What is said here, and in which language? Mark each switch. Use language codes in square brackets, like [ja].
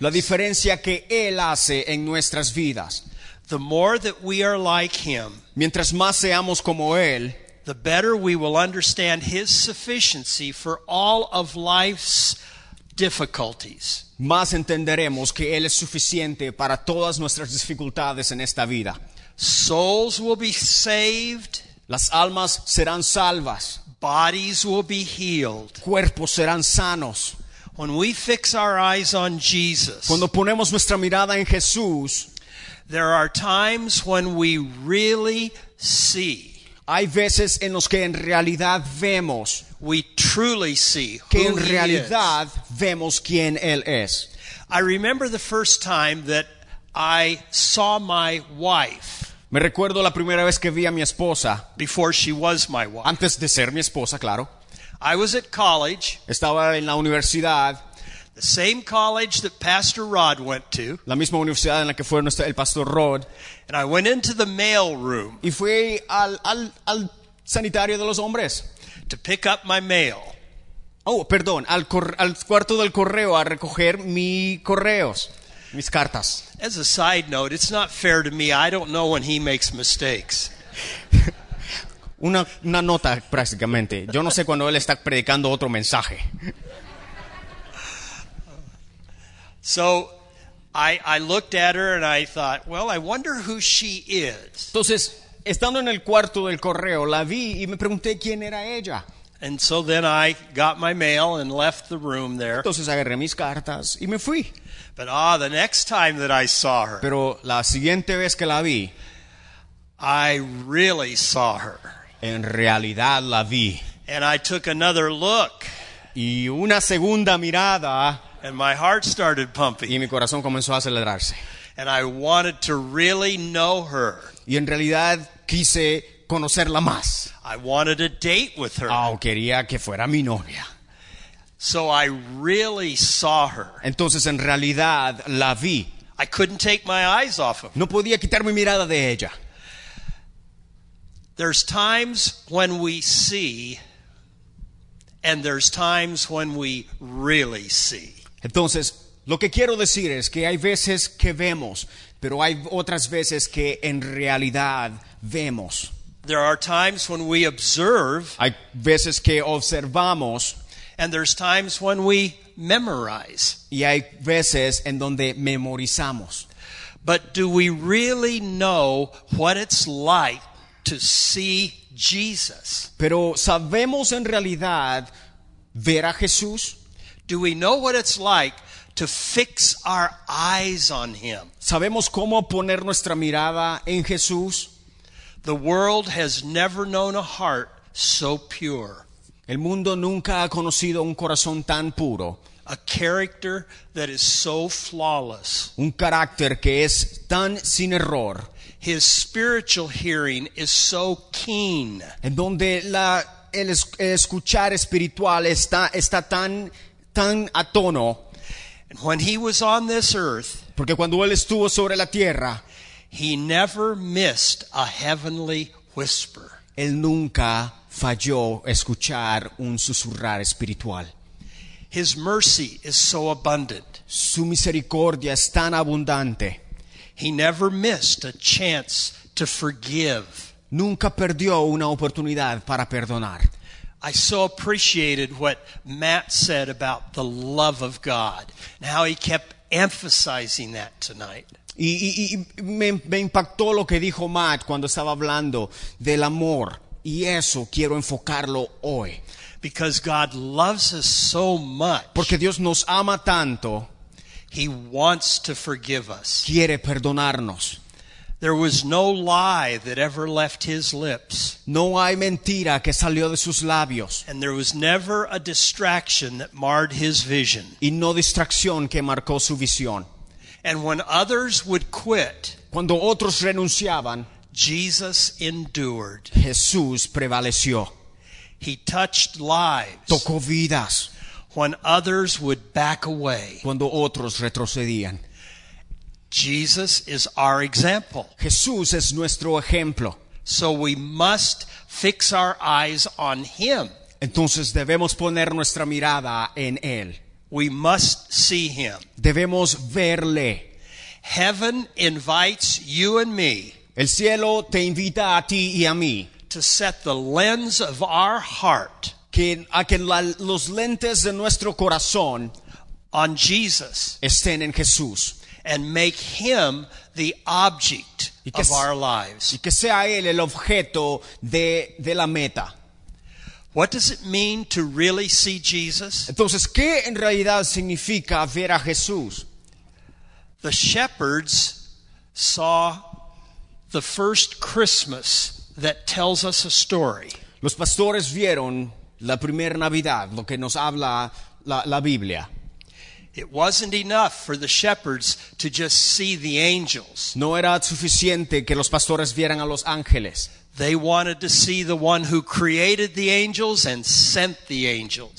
[es] La diferencia que él hace en nuestras vidas. [en] The more that we are like him, [es] mientras más seamos como él, [en] the better we will understand his sufficiency for all of life's difficulties. [es] Más entenderemos que él es suficiente para todas nuestras dificultades en esta vida. [en] Souls will be saved. [es] Las almas serán salvas. [en] Bodies will be healed. [es] Cuerpos serán sanos. [en] When we fix our eyes on Jesus, [es] cuando ponemos nuestra mirada en Jesús, [en] there are times when we really see. [es] Hay veces en los que en realidad vemos. [en] We truly see who [es] que en realidad vemos quién él es. [en] I remember the first time that I saw my wife. [es] Me recuerdo la primera vez que vi a mi esposa. [en] Before she was my wife. [es] Antes de ser mi esposa, claro. [en] I was at college. [es] Estaba en la universidad. [en] The same college that Pastor Rod went to. [es] La misma universidad en la que fue nuestro el Pastor Rod. [en] And I went into the mail room. [es] Y fui al sanitario de los hombres. [en] To pick up my mail. [es] Oh, perdón, al cuarto del correo a recoger mis correos. Mis cartas. [en] As a side note, it's not fair to me. I don't know when he makes mistakes. [es] una nota prácticamente. Yo no sé cuando él está predicando otro mensaje. [en] So I looked at her and I thought, well, I wonder who she is. [es] Entonces, estando en el cuarto del correo, la vi y me pregunté quién era ella. [en] And so then I got my mail and left the room there. [es] Entonces agarré mis cartas y me fui. [en] But the next time that I saw her. [es] Pero la siguiente vez que la vi, [en] I really saw her. [es] En realidad la vi. [en] And I took another look. [es] Y una segunda mirada. [en] And my heart started pumping. [es] Y mi corazón comenzó a acelerarse. [en] And I wanted to really know her. [es] Y en realidad quise conocerla más. [en] I wanted a date with her. [es] Oh, quería que fuera mi novia. [en] So I really saw her. [es] Entonces en realidad la vi. [en] I couldn't take my eyes off of her. [es] No podía quitar mi mirada de ella. [en] There's times when we see, and there's times when we really see. [es] Entonces, lo que quiero decir es que hay veces que vemos, pero hay otras veces que en realidad vemos. [en] There are times when we observe. [es] Hay veces que observamos. [en] And there's times when we memorize. [es] Y hay veces en donde memorizamos. [en] But do we really know what it's like to see Jesus? [es] Pero ¿sabemos en realidad ver a Jesús? [en] Do we know what it's like to fix our eyes on him? [es] ¿Sabemos cómo poner nuestra mirada en Jesús? [en] The world has never known a heart so pure. [es] El mundo nunca ha conocido un corazón tan puro. [en] A character that is so flawless. [es] Un carácter que es tan sin error. [en] His spiritual hearing is so keen. [es] En donde el escuchar espiritual está tan a tono. [en] And when he was on this earth, [es] porque cuando él estuvo sobre la tierra, [en] he never missed a heavenly whisper. [es] Él nunca falló escuchar un susurrar espiritual. [en] His mercy is so abundant. [es] Su misericordia es tan abundante. [en] He never missed a chance to forgive. [es] Nunca perdió una oportunidad para perdonar. [en] I so appreciated what Matt said about the love of God and how he kept emphasizing that tonight. [es] Y me impactó lo que dijo Matt cuando estaba hablando del amor, y eso quiero enfocarlo hoy. [en] Because God loves us so much. [es] Porque Dios nos ama tanto. [en] He wants to forgive us. [es] Quiere perdonarnos. [en] There was no lie that ever left his lips. [es] No hay mentira que salió de sus labios. [en] And there was never a distraction that marred his vision. [es] Y no distracción que marcó su visión. [en] And when others would quit, [es] cuando otros renunciaban, [en] Jesus endured. [es] Jesús prevaleció. [en] He touched lives. [es] Tocó vidas. [en] When others would back away, [es] cuando otros retrocedían. [en] Jesus is our example. [es] Jesús es nuestro ejemplo. [en] So we must fix our eyes on him. [es] Entonces debemos poner nuestra mirada en él. [en] We must see him. [es] Debemos verle. [en] Heaven invites you and me. [es] El cielo te invita a ti y a mí. [en] To set the lens of our heart. [es] Que los lentes de nuestro corazón. [en] On Jesus. [es] Estén en Jesús. [en] And make him the object of our lives. [es] Y que sea él el objeto de la meta. [en] What does it mean to really see Jesus? [es] Entonces, ¿qué en realidad significa ver a Jesús? [en] The shepherds saw the first Christmas that tells us a story. [es] Los pastores vieron la primera Navidad, lo que nos habla la Biblia. [en] It wasn't enough for the shepherds to just see the angels. [es] No era suficiente que los pastores vieran a los ángeles. [en] They wanted to see the one who created the angels and sent the angels.